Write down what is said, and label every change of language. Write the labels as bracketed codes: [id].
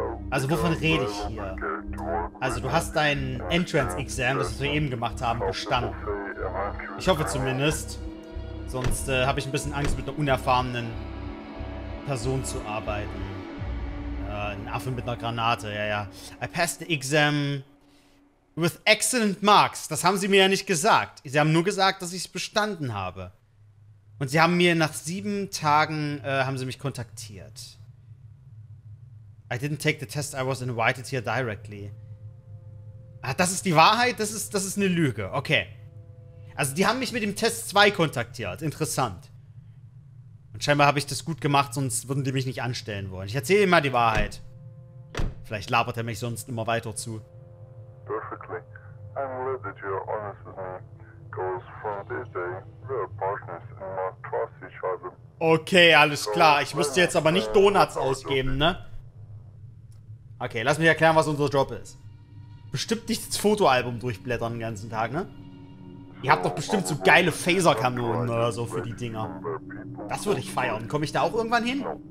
[de] Also wovon rede ich hier? Also du hast dein Entrance-Exam, das wir eben gemacht haben, bestanden. Ich hoffe zumindest. Sonst habe ich ein bisschen Angst, mit einer unerfahrenen Person zu arbeiten. Ein Affe mit einer Granate, ja, ja. [en] I passed the exam with excellent marks. [de] Das haben sie mir ja nicht gesagt. Sie haben nur gesagt, dass ich es bestanden habe. Und sie haben mir nach 7 Tagen, haben sie mich kontaktiert. [en] I didn't take the test, I was invited here directly. [de] Ah, das ist die Wahrheit? Das ist eine Lüge, okay. Also die haben mich mit dem Test 2 kontaktiert, interessant. Und scheinbar habe ich das gut gemacht, sonst würden die mich nicht anstellen wollen. Ich erzähle ihm mal die Wahrheit. Vielleicht labert er mich sonst immer weiter zu. [en] Perfectly. I'm glad that you're honest with me. Because from this day, we are partners and must trust each other. [de] Okay, alles klar. Ich müsste jetzt aber nicht Donuts ausgeben, ne? Okay, lass mich erklären, was unser Job ist. Bestimmt nicht das Fotoalbum durchblättern den ganzen Tag, ne? Ihr habt doch bestimmt so geile Phaserkanonen oder so für die Dinger. Das würde ich feiern. Komme ich da auch irgendwann hin?